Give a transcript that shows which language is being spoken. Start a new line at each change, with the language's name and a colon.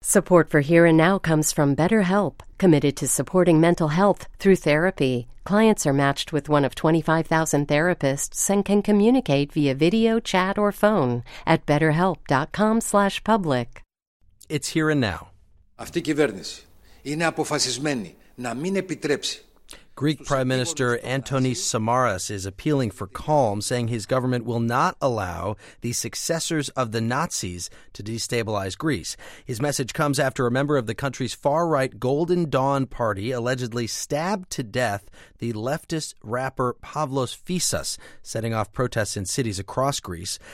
English: Support for Here and Now comes from BetterHelp, committed to supporting mental health through therapy. Clients are matched with one of 25,000 therapists and can communicate via video, chat, or phone at betterhelp.com/public. It's Here and Now.
Greek: Αυτή η κυβέρνηση είναι αποφασισμένη να μην επιτρέψει.
English: Greek Prime Minister Antonis Samaras is appealing for calm, saying his government will not allow the successors of the Nazis to destabilize Greece. His message comes after a member of the country's far-right Golden Dawn Party allegedly stabbed to death the leftist rapper Pavlos Fissas, setting off protests in cities across Greece.